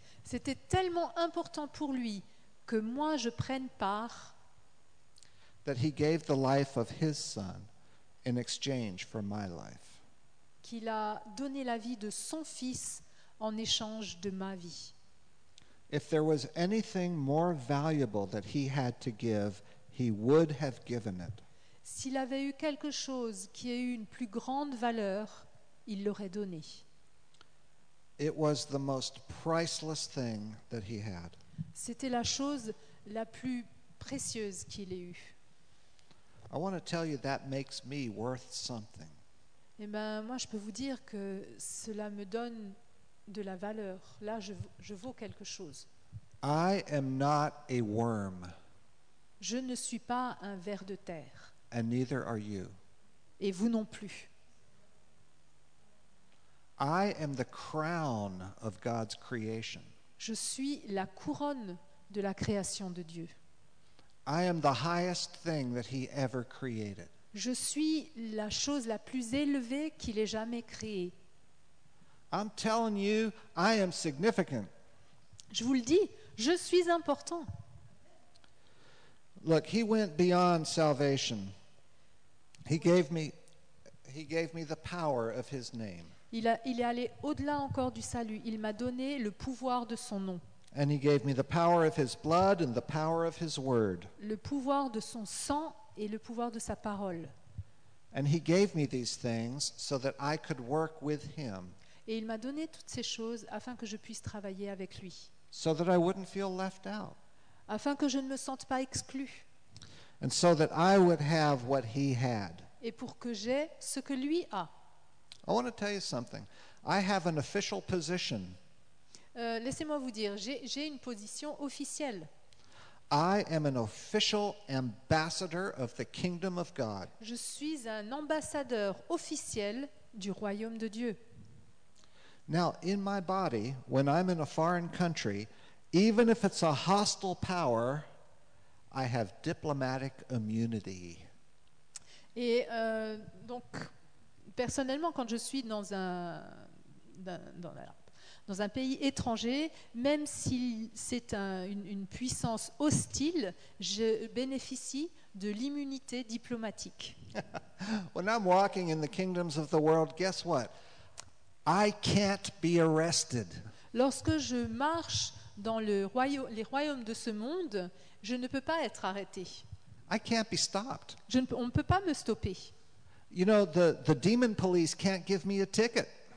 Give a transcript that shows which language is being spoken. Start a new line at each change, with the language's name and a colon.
French: C'était tellement important pour lui que moi je prenne part.
English: That he gave the life of his son in exchange for my life.
French: Qu'il a donné la vie de son fils en échange de ma vie.
English: If there was anything more valuable that he had to give, he would have given it.
French: S'il avait eu quelque chose qui ait eu une plus grande valeur, il l'aurait donné.
English: It was the most priceless thing that he had.
French: C'était la chose la plus précieuse qu'il ait eue.
English: I want to tell you that makes me worth something.
French: Eh bien, moi, je peux vous dire que cela me donne de la valeur. Là, je vaux quelque chose.
English: I am not a worm.
French: Je ne suis pas un ver de terre.
English: And neither are you.
French: Et vous non plus.
English: I am the crown of God's creation.
French: Je suis la couronne de la création de Dieu.
English: I am the highest thing that he ever created.
French: Je suis la chose la plus élevée qu'il ait jamais créée.
English: I'm telling you, I am significant.
French: Je vous le dis, je suis important.
English: Look, he went beyond salvation. He gave me the power of his name.
French: Il est allé au-delà encore du salut. Il m'a donné le pouvoir de son nom.
English: And he gave me the power of his blood and the power of his word.
French: Le pouvoir de son sang et le pouvoir de sa parole.
English: And he gave me these things so that I could work with him.
French: Et il m'a donné toutes ces choses afin que je puisse travailler avec lui.
English: So that I wouldn't feel left out.
French: Afin que je ne me sente pas exclu.
English: And so that I would have what he had.
French: Et pour que j'aie ce que lui a.
English: I want to tell you something. I have an official position.
French: Laissez-moi vous dire, j'ai une position officielle.
English: I am an official ambassador of the kingdom of God.
French: Je suis un ambassadeur officiel du royaume de Dieu.
English: Now, in my body, when I'm in a foreign country, even if it's a hostile power, I have diplomatic immunity.
French: Et donc, personnellement, quand je suis dans un pays étranger, même si c'est une puissance hostile, je bénéficie de l'immunité diplomatique.
English: When I'm walking in the kingdoms of the world, guess what? I can't be arrested.
French: Lorsque je marche dans les royaumes de ce monde, je ne peux pas être arrêté.
English: I can't be stopped.
French: On ne peut pas me stopper.
English: You know, the demon police can't give me a ticket.